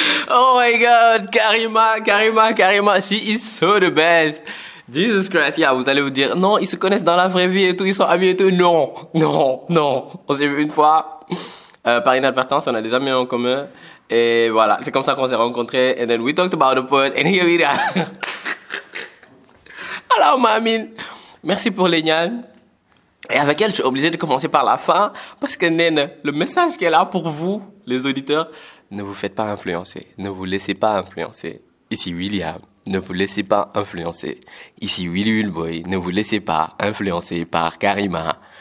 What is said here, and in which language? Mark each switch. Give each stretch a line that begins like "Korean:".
English: Oh my god, Karima, she is so the best. Jesus Christ, yeah,
French: vous allez vous dire, non, ils se connaissent dans la vraie vie et tout, ils sont amis et tout. Non. On s'est vu une fois par inadvertance, on a des amis en commun. Et voilà, c'est comme ça qu'on s'est rencontrés.
English: And then we talked about the pod, and here we are.
French: Alors, mamine, merci pour les gnans. Et avec elle, je suis obligé de commencer par la fin, parce que Nen, le message qu'elle a pour vous, les auditeurs, ne vous faites pas influencer, ne vous laissez pas influencer. Ici William, ne vous laissez pas influencer. Ici Will Boy, ne vous laissez pas influencer par Karima.